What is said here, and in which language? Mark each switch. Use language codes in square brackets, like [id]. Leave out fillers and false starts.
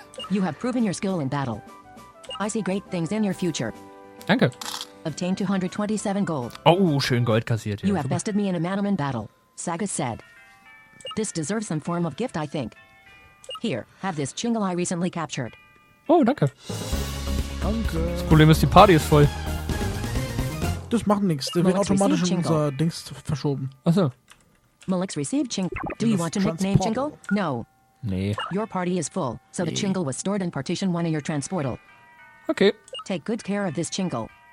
[en] You have proven your skill in battle. I see great things in your future. [de] Danke. [en] Obtained 227 gold. [de] Oh, schön Gold kassiert. Ja. [en] You have bested me in a manaman battle. Sagas said. This deserves some form of gift, I think. Here, have this chingle I recently captured. [de] Oh, danke. Danke. Das Problem ist, die Party ist voll. Das macht nichts. Der wird automatisch in unser Dings verschoben. Achso. [en] Malix received ching. Do you want to nickname chingle? No. [de] Nee. [en] Your party is full, so nee. The chingle was stored in partition 1 in your transportal. [de] Okay. [en] Take good care of this chingle.